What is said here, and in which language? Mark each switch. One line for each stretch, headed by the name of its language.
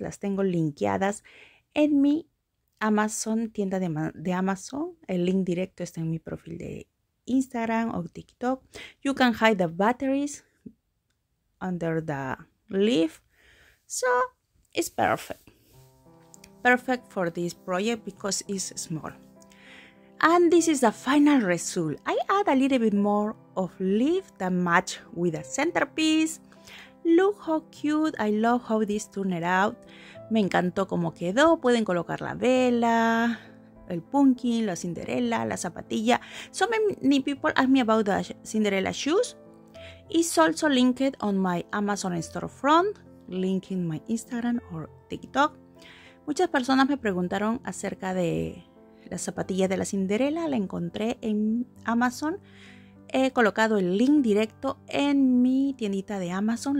Spanish: Las tengo linkeadas en mi Amazon, tienda de Amazon. El link directo está en mi perfil de Instagram o TikTok.
English: You can hide the batteries under the leaf, so it's perfect for this project because it's small. And this is the final result. I add a little bit more of leaf that match with the centerpiece. Look how cute. I love how this turned out.
Spanish: Me encantó como quedó. Pueden colocar la vela, el pumpkin, la Cinderella, la zapatilla.
English: So many people ask me about the Cinderella shoes. It's also linked on my Amazon storefront.
Spanish: link en mi Instagram o TikTok. Muchas personas me preguntaron acerca de la zapatilla de la Cinderella. La encontré en Amazon. He colocado el link directo en mi tiendita de Amazon.